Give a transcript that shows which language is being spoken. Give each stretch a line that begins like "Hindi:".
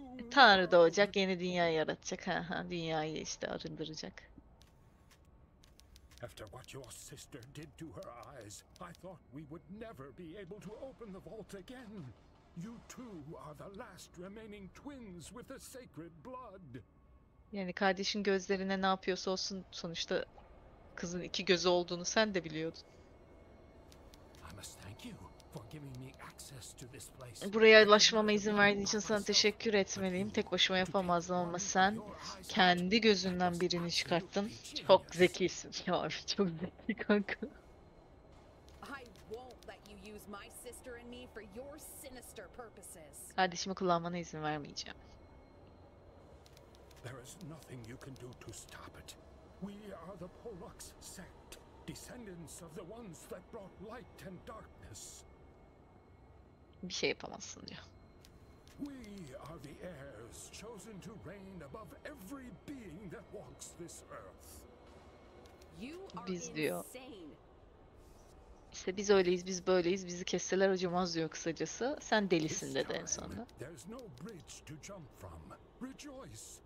Turkish: Tanrı doğacak, yeni dünya yaratacak. Ha, dünyayı işte arındıracak.
English: After what your sister did to her eyes, I thought we would never be able to open the vault again. You two are the last remaining twins with the sacred blood.
Turkish: Yani kardeşin gözlerine ne yapıyorsa olsun, sonuçta kızın iki gözü olduğunu sen de biliyordun.
English: I must thank you for giving me access to this place.
Turkish: Buraya ulaşmama izin verdiğin için sana teşekkür etmeliyim. Tek başıma yapamazdım ama sen kendi gözünden birini çıkarttın. Çok zekisin. Ya abi çok zeki kanka.
English: I won't let you use my sister and me for your sinister purposes.
Turkish: Kardeşimi kullanmana izin vermeyeceğim.
English: There is nothing you can do to stop it. We are the Pollux sect, descendants of the ones that brought light and darkness.
Turkish: Bir şey yapamazsın diyor.
English: We are the heirs chosen to reign above every being that walks this earth. You are insane.
Turkish: İşte biz öyleyiz, biz böyleyiz, bizi kesseler acımaz diyor kısacası. Sen delisin dedi en sonunda.
English: There is no bridge to jump from. Rejoice.